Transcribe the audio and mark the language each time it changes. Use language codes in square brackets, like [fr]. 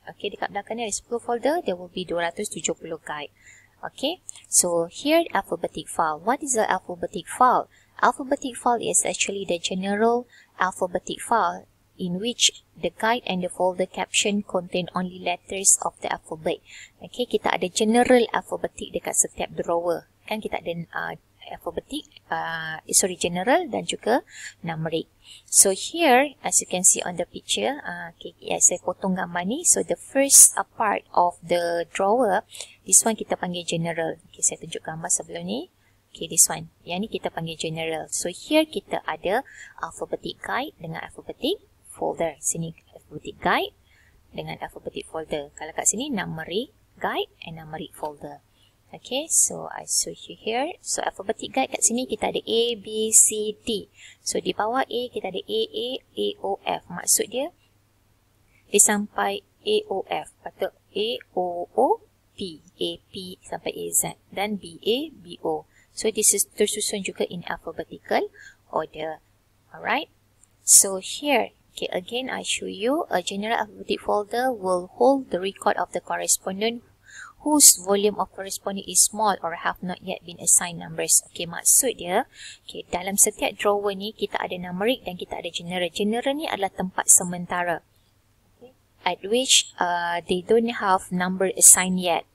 [ms] Okay, dekat belakang ni ada 10 folder, [en] there will be 270 guide. Okay, so here alphabetic file. What is the alphabetic file? Alphabetic file is actually the general alphabetic file in which the guide and the folder caption contain only letters of the alphabet. [ms] Okay, kita ada general alphabetic dekat setiap drawer. Kan kita ada alphabetic, general dan juga numeric. [en] So here, as you can see on the picture, [ms] saya potong gambar ni. [en] So the first part of the drawer, this one [ms] kita panggil general. Okay, saya tunjuk gambar sebelum ni. [en] Okay, this one. [ms] Yang ni kita panggil general. So here kita ada alphabetic guide dengan alphabetic folder. Sini alphabetic guide dengan alphabetic folder. Kalau kat sini, [en] numeric guide and numeric folder. Okay, so I show you here. [ms] So alphabetic guide kat sini kita ada A, B, C, D. So di bawah A, kita ada A, A, A, O, F. Maksud dia, dia sampai A, O, F. Patut A, O, O, P, A, P sampai A, Z. Dan B, A, B, O. [en] So this is [ms] tersusun juga [en] in alphabetical order. Alright. So here, okay, again I show you a general alphabetic folder will hold the record of the correspondent whose volume of correspondent is small or have not yet been assigned numbers. [ms] Okay, maksud dia, okay, dalam setiap drawer ni, kita ada numeric dan kita ada general. General ni adalah tempat sementara. [en] At which they don't have number assigned yet.